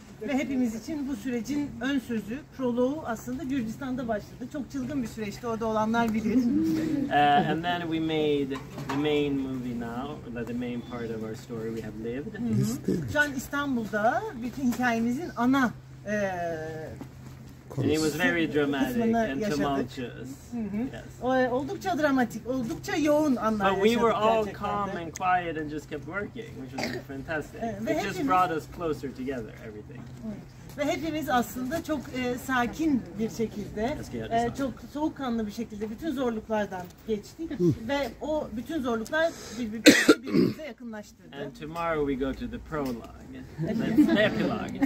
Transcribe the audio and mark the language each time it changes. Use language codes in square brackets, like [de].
[tr] Ve hepimiz için bu sürecin ön sözü, prologu aslında Gürcistan'da başladı. Çok çılgın bir süreçti, orada olanlar bilir. [en] And then we made the main movie now, the main part of our story we have lived. [tr] Şu an İstanbul'da bütün hikayemizin ana... [en] And it was very dramatic and tumultuous. Mm-hmm. Yes. [tr] Oldukça dramatik, oldukça yoğun anlar. [en] But we were all calm and quiet and just kept working, which was fantastic. It [tr] hepimiz, [en] just brought us closer together, everything. [tr] Ve hepimiz aslında çok sakin bir şekilde, çok soğukkanlı bir şekilde bütün zorluklardan geçtik ve o bütün zorluklar birbirimize yakınlaştırdı. [en] And tomorrow we go to the prologue. Let's the epilogue.